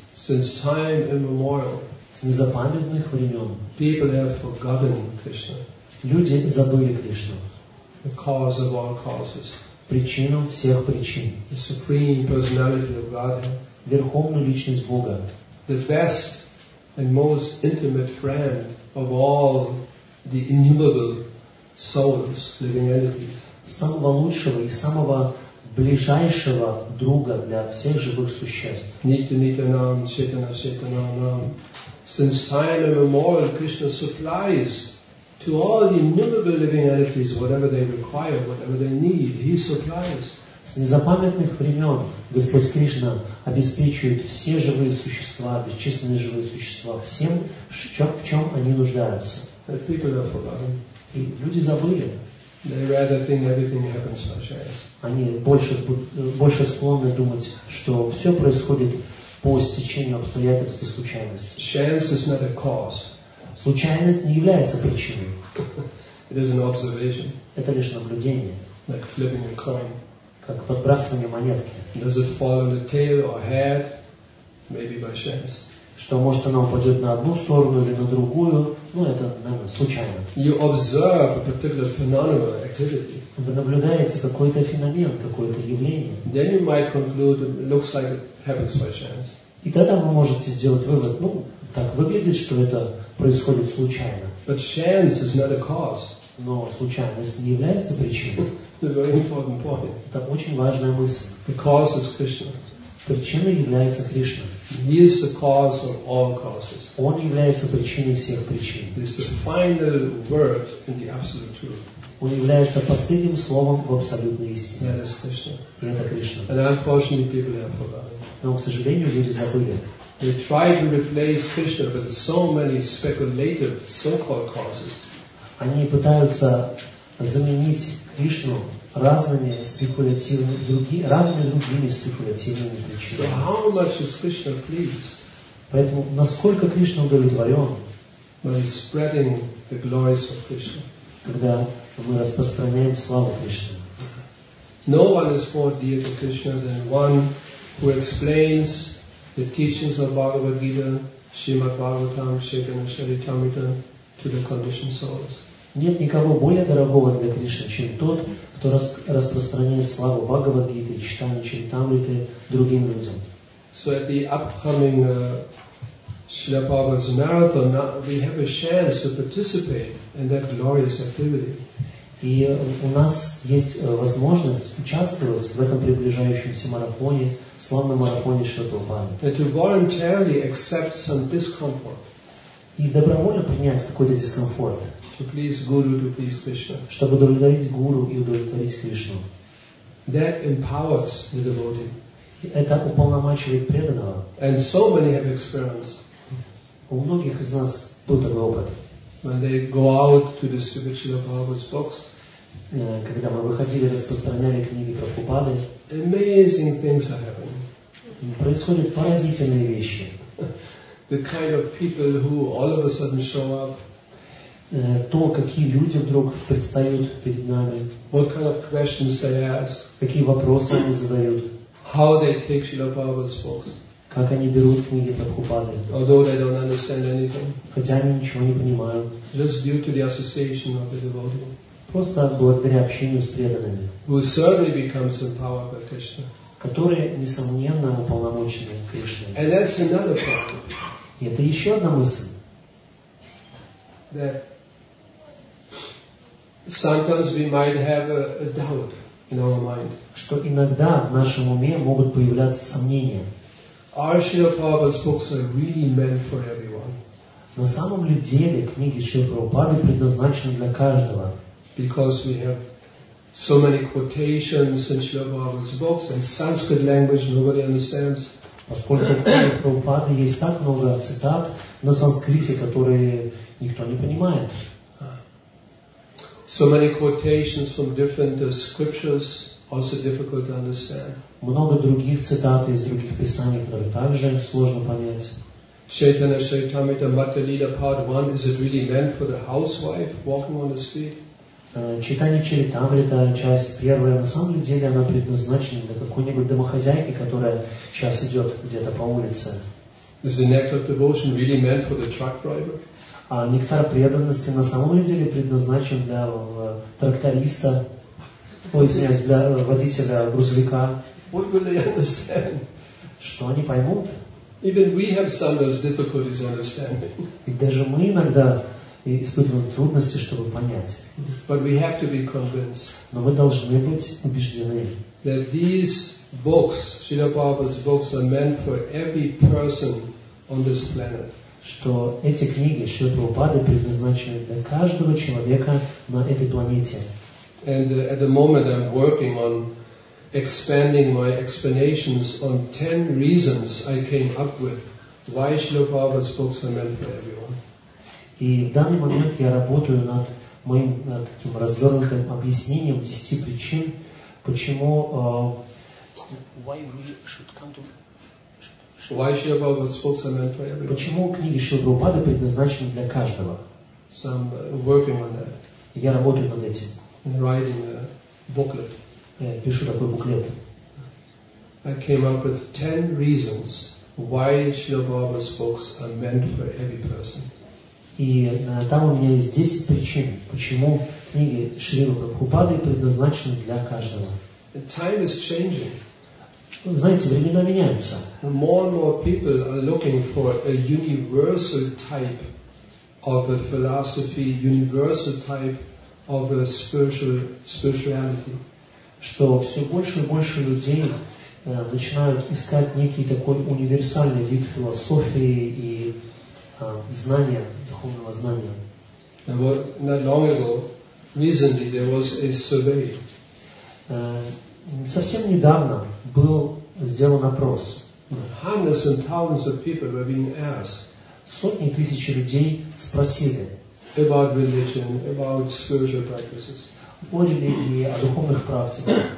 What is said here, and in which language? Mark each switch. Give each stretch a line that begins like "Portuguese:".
English: Since time immemorial.
Russian: С незапамятных времен.
English: People have forgotten Krishna.
Russian: Люди забыли Кришну.
English: The cause of all causes.
Russian: Причину всех причин.
English: The supreme personality of Godhead.
Russian: Верховную личность Бога.
English: The best and most intimate friend of all the innumerable souls, living entities.
Russian: Самого лучшего и самого ближайшего друга для всех живых существ. Нитя нитя нам, чайтана чайтана нам.
English: Since time immemorial, Krishna supplies to all the innumerable living entities, whatever they require, whatever they need, He supplies.
Russian: С незапамятных времен Господь Кришна обеспечивает все живые существа, бесчисленные живые существа, всем, в чем они нуждаются.
English: And people have forgotten.
Russian: И люди забыли.
English: They rather think everything happens by chance.
Russian: Они больше склонны думать, что все происходит по стечению обстоятельств и случайности.
English: Chance is not a cause.
Russian: Случайность не является причиной.
English: It is an observation.
Russian: Это лишь наблюдение.
English: Like flipping a coin.
Russian: как подбрасывание монетки.
English: Does it fall on the tail or head? Maybe by chance.
Russian: Что может она упадет на одну сторону или на другую? Ну, это, наверное, случайно.
English: You observe a particular phenomenon, activity.
Russian: Вы наблюдаете какой-то феномен, какое-то явление.
English: Then you might conclude it looks like it happens by chance.
Russian: И тогда вы можете сделать вывод, ну, так выглядит, что это происходит случайно.
English: But chance is not a cause.
Russian: Но случайность не является причиной.
English: It's a very important point.
Russian: Это очень важная мысль.
English: The cause is Krishna.
Russian: Причиной является Кришна.
English: He is the cause of all causes.
Russian: Он является причиной всех причин.
English: He is the final word in the absolute truth.
Russian: Он является последним словом в абсолютной истине.
English: That is Krishna.
Russian: И это Кришна.
English: And unfortunately, people have forgotten.
Russian: Но, к сожалению, люди забыли.
English: They try to replace Krishna with so many speculative so-called causes.
Russian: Они пытаются заменить Кришну разными другими спекулятивными причинами.
English: So how much is Krishna pleased?
Russian: Поэтому насколько Кришна удовлетворен?
English: By spreading the glories of Krishna.
Russian: Когда мы распространяем славу Кришны.
English: No one is more dear to Krishna than one who explains the teachings of Bhagavad Gita, Srimad Bhagavatam, Chaitanya Charitamrita to the conditioned souls.
Russian: Нет никого более дорогого для Кришны, чем тот, кто распространяет славу Бхагавад-гиты, читание Чаритамриты другим людям.
English: So at the upcoming Srila Prabhupada's marathon, we have a chance to participate in that glorious activity.
Russian: И у нас есть возможность участвовать в этом приближающемся марафоне, славном марафоне Шри Прабхупады.
English: And to voluntarily accept some discomfort.
Russian: И добровольно принять какой-то дискомфорт.
English: To please Guru, to please Krishna.
Russian: Чтобы удовлетворить Гуру и удовлетворить Кришну.
English: That empowers the devotee.
Russian: Это уполномачивает преданного.
English: And so many have experienced.
Russian: У многих из нас был такой опыт.
English: When they go out to distribute Srila Prabhupada's books.
Russian: Когда мы выходили, распространяли книги Прабхупады.
English: Amazing things are happening.
Russian: Происходят поразительные вещи.
English: The kind of people who all of a sudden show up.
Russian: То, какие люди вдруг предстают перед нами.
English: What kind of questions they ask.
Russian: Какие вопросы они задают.
English: How they take Srila Prabhupada's books.
Russian: Как они берут книги Прабхупады.
English: Although they don't understand anything.
Russian: Хотя они ничего не понимают.
English: Just due to the association of the devotee.
Russian: Просто благодаря общению с преданными.
English: Who certainly becomes empowered by Krishna.
Russian: Которые, несомненно, уполномочены Кришной.
English: And that's another problem.
Russian: И это еще одна мысль.
English: That sometimes we might have a doubt in our mind.
Russian: Что иногда в нашем уме могут появляться сомнения.
English: Are Srila Prabhupada's books are really meant for everyone?
Russian: На самом ли деле книги Шрилы Прабхупады предназначены для каждого?
English: Because we have so many quotations in Srila Prabhupada's books and Sanskrit language nobody understands.
Russian: Поскольку в книге Прабхупады есть так много цитат на санскрите, которые никто не понимает.
English: So many quotations from different scriptures also difficult to understand.
Russian: Много других цитат из других писаний, которые также сложно понять.
English: Chaitanya Charitamrita Matya Lila Part 1, is it really meant for the housewife walking on the street?
Russian: Читание Чаритамрита, часть первая, на самом деле она предназначена для какой-нибудь домохозяйки, которая сейчас идет где-то по улице.
English: Is the nectar of devotion really meant for the truck driver?
Russian: А нектар преданности на самом деле предназначен для тракториста, для водителя грузовика.
English: What will they understand?
Russian: Что они поймут?
English: Even we have sometimes difficulties understanding.
Russian: Ведь даже мы иногда испытываем трудности, чтобы понять.
English: But we have to be convinced.
Russian: Но мы должны быть убеждены.
English: That these books, Srila Prabhupada's books, are meant for every person on this planet.
Russian: Что эти книги Шри Прабхупады предназначены для каждого человека на этой планете.
English: And at the moment I'm working on expanding my explanations on 10 reasons I came up with why Srila Prabhupada's books are meant for everyone.
Russian: И в данный момент я работаю над моим таким развернутым объяснением 10 причин, почему
English: why we should come to why Srila Prabhupada's books are meant for everyone?
Russian: Почему книги Шрилы Прабхупады предназначены для каждого?
English: So I'm working on that.
Russian: Я работаю над этим.
English: Writing a booklet.
Russian: пишу такой буклет.
English: I came up with 10 reasons why Srila Prabhupada's books are meant for every person.
Russian: И там у меня есть 10 причин, почему книги Шрилы Прабхупады предназначены для каждого.
English: Time is changing.
Russian: Знаете, времена меняются.
English: More and more people are looking for a universal type of a philosophy, universal type of a spirituality.
Russian: Что все больше и больше людей начинают искать некий такой универсальный вид философии и знания, духовного знания.
English: Not long ago, recently there was a survey.
Russian: Совсем недавно был сделан опрос.
English: Hundreds and thousands of people were being asked.
Russian: Сотни тысяч людей спросили
English: about religion, about spiritual practices.
Russian: О религии, о духовных практиках.